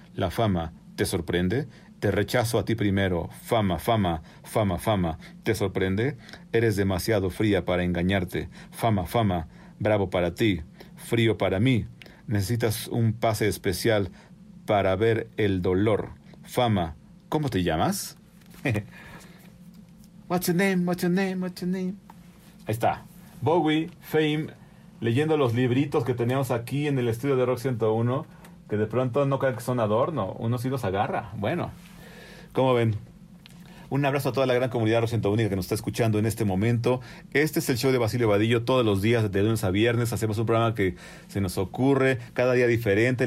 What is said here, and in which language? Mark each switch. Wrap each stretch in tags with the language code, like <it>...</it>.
<es>La fama, ¿te sorprende? Te rechazo a ti primero. Fama, fama, fama, fama. ¿Te sorprende? Eres demasiado fría para engañarte. Fama, fama, bravo para ti, frío para mí. Necesitas un pase especial para ver el dolor. Fama, ¿cómo te llamas?</es> <en>What's your name, what's your name, what's your name?</en> <es>Ahí está. Bowie, Fame, leyendo los libritos que teníamos aquí en el estudio de Rock 101, que de pronto no crean que son adorno, uno sí los agarra. Bueno, ¿cómo ven? Un abrazo a toda la gran comunidad Rosenta Única que nos está escuchando en este momento. Este es el show de Basilio Vadillo todos los días, de lunes a viernes. Hacemos un programa que se nos ocurre cada día diferente.</es>